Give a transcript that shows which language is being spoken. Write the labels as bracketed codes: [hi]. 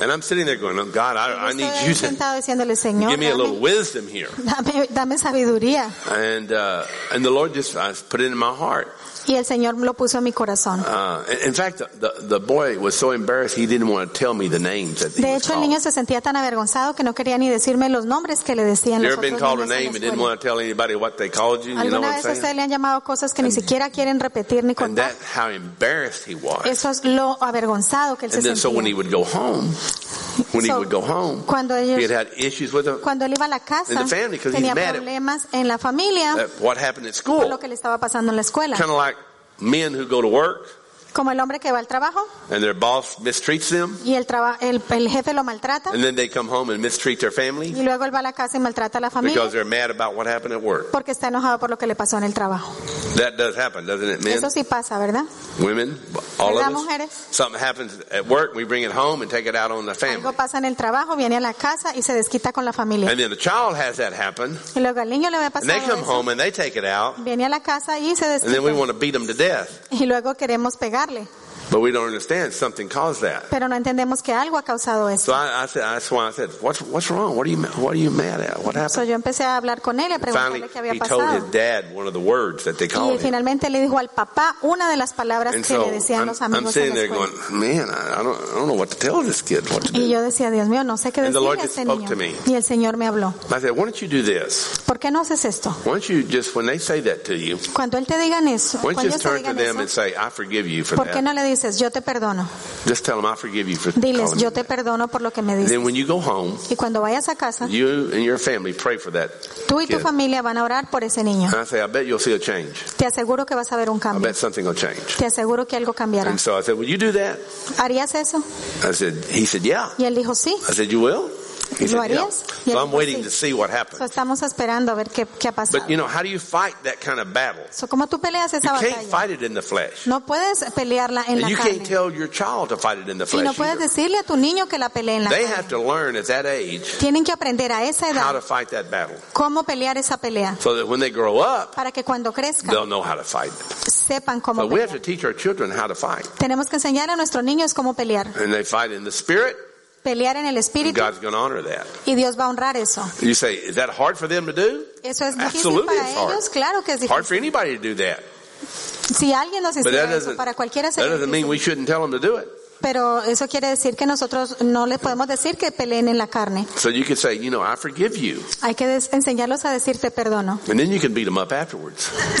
[en] And I'm sitting there going, "Oh God, I need you to [es] diciéndole, Señor, [en] give me a little wisdom here." [es] Dame sabiduría. [en] And the Lord just put it in my heart. [es] Y el Señor lo puso en mi corazón. [en] In fact, the boy was so embarrassed he didn't want to tell me the names that he [es] was. De hecho, el niño se sentía tan avergonzado que no quería ni decirme los nombres que le decían. [en] You ever been called a name and didn't want to tell anybody what they called you? [es] Alguna vez a usted le han llamado cosas que ni siquiera quieren repetir ni contar. [en] And that's how embarrassed he was. [es] Eso es lo avergonzado que él se sentía. [en] And then, so when he would go home. When he would go home, he had issues with them in the family because he's mad at what happened at school. Kind of like men who go to work. [es] Como el hombre que va al trabajo. [en] And their boss mistreats them. [es] Y el jefe lo maltrata. [en] And then they come home and mistreat their family. [es] Y luego él va a la casa y maltrata a la familia. [en] Because they're mad about what happened at work. [es] Porque está enojado por lo que le pasó en el trabajo. [en] That does happen, doesn't it, men? [es] Eso sí pasa, ¿verdad? [en] Women, all [es] ¿verdad, [en] of [es] mujeres? [en] Us. Something happens at work, we bring it home and take it out on the family. [es] Algo pasa en el trabajo, viene a la casa y se desquita con la familia. [en] And then the child has that happen. [es] Y luego al niño le va a pasar [en] and they come [es] eso. [en] Home and they take it out. [es] Viene a la casa y se desquita. [en] And then we want to beat them to death. [es] Y luego queremos pegar. [en] But we don't understand something caused that. [es] Pero no entendemos que algo ha causado eso. [en] So I said, that's why I said, what's wrong? What are you mad at? What happened? [es] So yo empecé a hablar con él y a preguntarle qué había pasado. [en] He told his dad one of the words that they called him. [es] Y finalmente le dijo al papá una de las palabras que le decían los amigos. [en] I'm sitting there going, man, I don't know what to tell this kid what to do. [es] Y yo decía, Dios mío, no sé qué decirle a este niño. Y el Señor me habló. [en] I said, why don't you do this? [es] ¿Por qué no haces esto? [en] Why don't you just, when they say that to you, [es] cuando él te digan eso, [en] why don't you just turn to them and say, I forgive you for that? [es] ¿Por qué no le dices, yo te perdono? [en] Just tell them, I forgive you for [es] diles, yo te perdono por lo que me dices. [en] Then when you go home, [es] y cuando vayas a casa, [en] you and your family pray for that [es] tú y tu [en] kid. [es] Familia van a orar por ese niño. [en] And I say, I bet you'll see a change. [es] Te aseguro que vas a ver un cambio. [en] I bet something will change. [es] Te aseguro que algo cambiará. [en] And so I said, will you do that? [es] ¿Harías eso? [en] I said, he said, yeah. [es] Y él dijo, sí. [en] I said, you will? He said, yeah. So I'm waiting to see what happens. [es] So estamos esperando a ver qué ha pasado. [en] But you know, how do you fight that kind of battle? [es] So cómo tú peleas esa batalla? [en] You can't fight it in the flesh. [es] No puedes pelearla en la carne. [en] You can't tell your child to fight it in the flesh. [es] Y no puedes decirle a tu niño que la pelee en la carne. [en] They have to learn at that age. [es] Tienen que aprender a esa edad. [en] How to fight that battle. [es] Cómo pelear esa pelea. [en] So that when they grow up, [es] para que cuando crezcan, [en] they'll know how to fight. [es] Sepan cómo pelear. [en] But we have to teach our children how to fight. [es] Tenemos que enseñar a nuestros niños cómo pelear. [en] And they fight in the spirit. [es] Pelear en el espíritu. [en] God's going to honor that. [es] Y Dios va a honrar eso. [en] You say, is that hard for them to do? [es] Eso es difícil. [en] Absolutely, [es] para ellos. [en] Hard. [es] Claro que es difícil. [en] Hard for anybody to do that. [es] Si alguien nos enseña eso, para cualquiera sería difícil. [en] That doesn't mean we shouldn't tell them to do it. [es] Pero eso quiere decir que nosotros no le podemos decir que peleen en la carne. [en] So you can say, you know, I forgive you. [es] Hay que enseñarlos a decir te perdono. [en] And then you can beat them up afterwards.